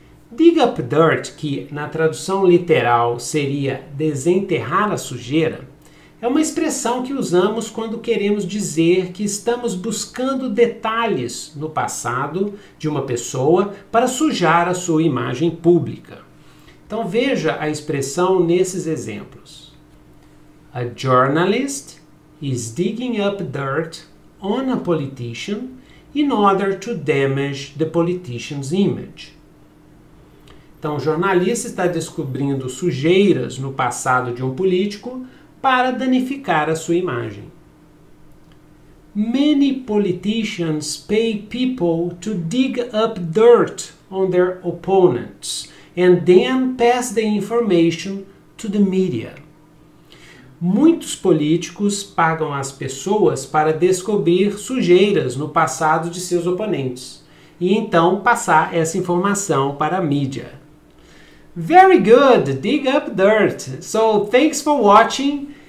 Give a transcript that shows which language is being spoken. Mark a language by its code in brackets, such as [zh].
[pt] Dig up dirt, que na tradução literal seria desenterrar a sujeira, é uma expressão que usamos quando queremos dizer que estamos buscando detalhes no passado de uma pessoa para sujar a sua imagem pública. Então veja a expressão nesses exemplos. [en] A journalist is digging up dirt on a politician in order to damage the politician's image. [pt] Então, o jornalista está descobrindo sujeiras no passado de um político para danificar a sua imagem. [en] Many politicians pay people to dig up dirt on their opponents and then pass the information to the media. [pt] Muitos políticos pagam as pessoas para descobrir sujeiras no passado de seus oponentes e então passar essa informação para a mídia. [en] Very good! Dig up dirt! So, thanks for watching!